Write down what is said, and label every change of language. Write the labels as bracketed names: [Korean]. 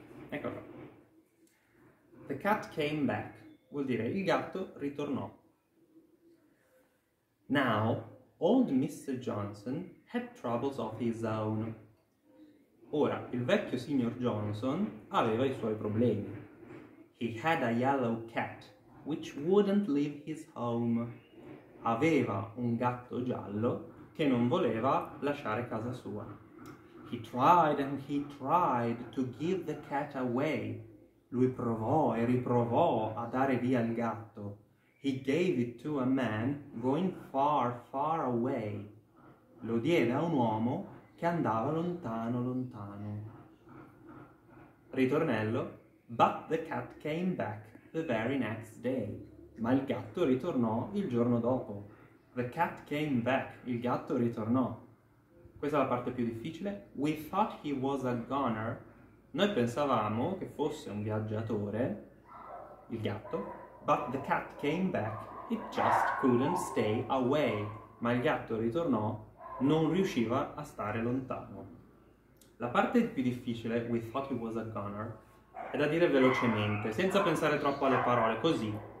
[English] Eccolo. The cat came back. [Italian] Vuol dire il gatto ritornò. [English] Now, old Mr. Johnson had troubles of his own. [Italian] Ora, il vecchio signor Johnson aveva i suoi problemi. [English] He had a yellow cat, which wouldn't leave his home. [Italian] Aveva un gatto giallo che non voleva lasciare casa sua. [English] He tried and he tried to give the cat away. [Italian] Lui provò e riprovò a dare via il gatto. [English] He gave it to a man going far, far away. [Italian] Lo diede a un uomo che andava lontano, lontano. Ritornello. [English] But the cat came back the very next day. [Italian] Ma il gatto ritornò il giorno dopo. [English] The cat came back. [Italian] Il gatto ritornò. Questa è la parte più difficile. [English] We thought he was a goner. [Italian] Noi pensavamo che fosse un viaggiatore, il gatto. [English] But the cat came back. It just couldn't stay away. [Italian] Ma il gatto ritornò. Non riusciva a stare lontano. La parte più difficile, [English] we thought he was a goner, [Italian] è da dire velocemente, senza pensare troppo alle parole, così.